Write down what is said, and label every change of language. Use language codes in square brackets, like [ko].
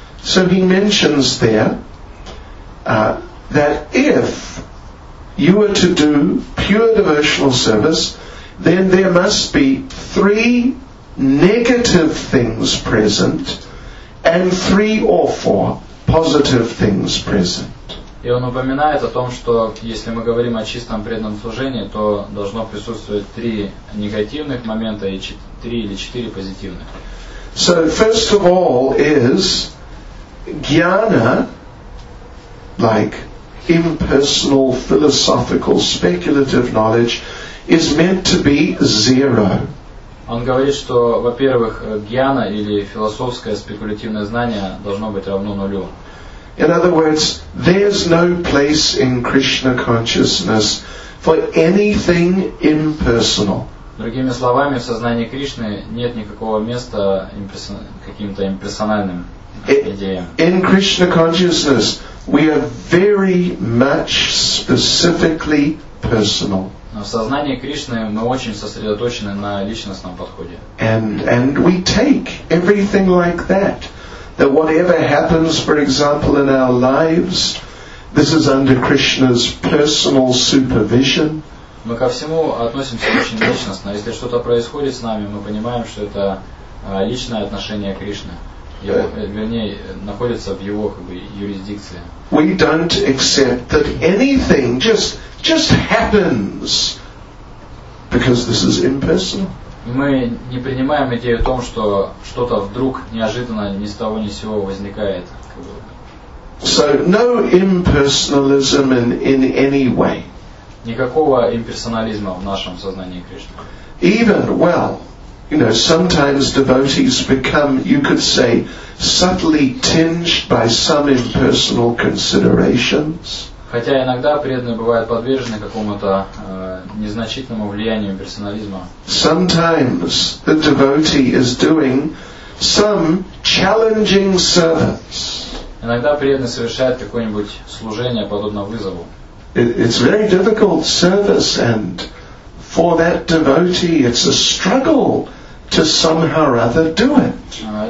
[en] So he mentions there that if you were to do pure devotional service, then there must be three negative things present and three or four positive things present. [ru] И он упоминает о том, что если мы говорим о чистом преданном служении, то должно присутствовать три негативных момента и три или четыре позитивных. [en] So first of all is jnana, like impersonal philosophical speculative knowledge, is meant to be zero. [ru] Он говорит, что, во-первых, jnana или философское спекулятивное знание должно быть равно нулю. [en] In other words, there's no place in Krishna consciousness for anything impersonal. [ru] Другими словами, в сознании Кришны нет никакого места каким-то имперсональным идеям. [en] In Krishna consciousness, we are very much specifically personal. [ru] Но в сознании Кришны мы очень сосредоточены на личностном подходе. [en] And we take everything like that. That whatever happens, for example, in our lives, this is under Krishna's personal supervision. [ru] Мы ко всему относимся очень личностно. Если что-то происходит с нами, мы понимаем, что это личное отношение Кришны. Вернее, находится в его юрисдикции. [en] We don't accept that anything just happens because this is impersonal. [ru] Мы не принимаем идею о том, что что-то вдруг неожиданно ни с того ни с сего возникает. [en] So no impersonalism in any way. [ru] Никакого имперсонализма в нашем сознании Кришны. [en] Even well, you know, sometimes devotees become, you could say, subtly tinged by some impersonal considerations. [ru] Хотя иногда преданные бывают подвержены какому-то незначительному влиянию персонализма. [en] Sometimes the devotee is doing some challenging service. [ru] Иногда преданный совершает какое-нибудь служение подобно вызову. [en] It's very difficult service, and for that devotee it's a struggle to somehow or other do it.